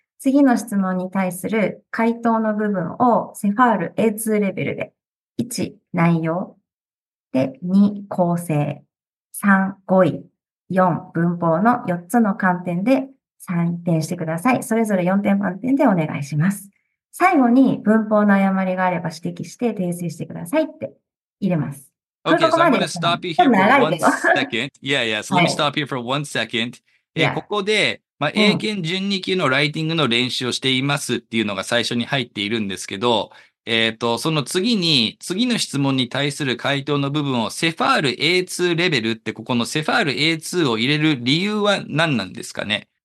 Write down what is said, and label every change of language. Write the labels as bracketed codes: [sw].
[ja] 次の質問に対する回答の部分をセファール A2 レベルで1、内容で2、構成3、語彙4、文法の4つの観点で採点してください。それぞれ4点満点でお願いします。最後に文法の誤りがあれば指摘して訂正してくださいって入れます。 [en] OK, so I'm gonna stop you here for one second. Yeah, yeah, so let me stop you for one second. [ja] ここでまあ、英検12級のライティングの練習をしていますっていうのが最初に入っているんですけど、その次に、次の質問に対する回答の部分をセファール A2 レベルって、ここのセファール A2 を入れる理由は何なんですかね？